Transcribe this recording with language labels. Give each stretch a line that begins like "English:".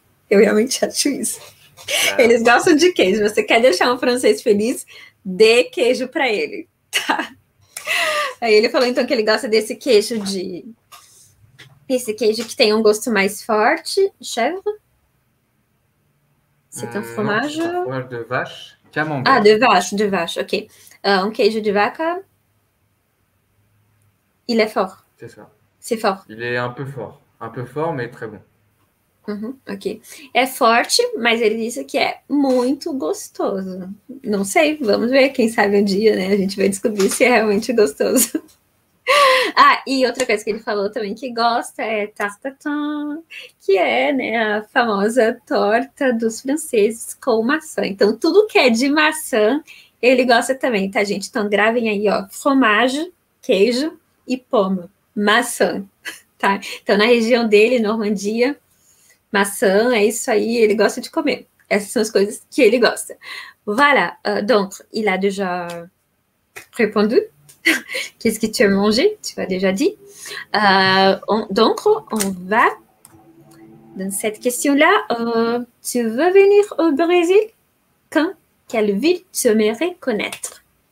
Portuguese: Eu realmente acho isso. Ah. Eles gostam de queijo. Você quer deixar um francês feliz? Dê queijo para ele, tá? Aí ele falou então que ele gosta desse queijo de. Esse queijo que tem um gosto mais forte.
French: Chèvre? C'est un
Portuguese: Não,
French: fromage? c'est un fromage de vache, Ah, camembert. de vache,
Portuguese: ok. Um queijo de vaca.
French: Il est fort. C'est ça. C'est fort. Il est un peu fort, mais très bon. Ok.
Portuguese: É forte, mas ele disse que é muito gostoso. Não sei, vamos ver. Quem sabe um dia, né? A gente vai descobrir se é realmente gostoso. Ah, e outra coisa que ele falou também que gosta é tartatin, que é, né, a famosa torta dos franceses com maçã. Então, tudo que é de maçã, ele gosta também, tá, gente? Então, gravem aí, ó. Fromage, queijo. E pomo, maçã, tá? Então, na região dele, Normandia, maçã, é isso aí, ele gosta de comer. Essas são as coisas que ele gosta.
French: Voilà, donc, il a déjà répondu. Qu'est-ce que tu as mangé? Tu as déjà dit. Donc, on va, dans cette question-là, tu veux venir au Brésil? Quelle ville tu aimerais connaître?